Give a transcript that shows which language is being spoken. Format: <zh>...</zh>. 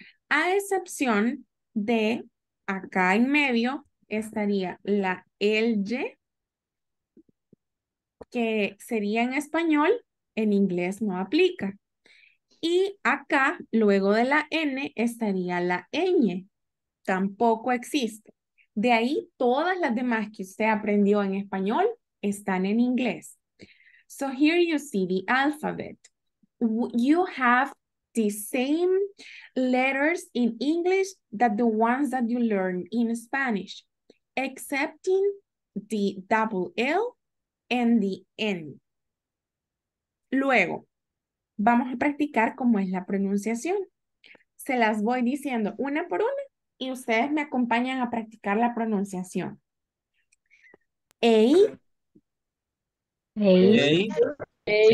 <es>A excepción de acá en medio estaría la L, que sería en español, en inglés no aplica. Y acá, luego de la N, estaría la ñ. Tampoco existe. De ahí, todas las demás que usted aprendió en español están en inglés.</es> <en>So here you see the alphabet. You have the same letters in English that the ones that you learn in Spanish, excepting the double L and the N.</en> <es>Luego, vamos a practicar cómo es la pronunciación. Se las voy diciendo una por una y ustedes me acompañan a practicar la pronunciación.</es> <en>A. A. A.</en>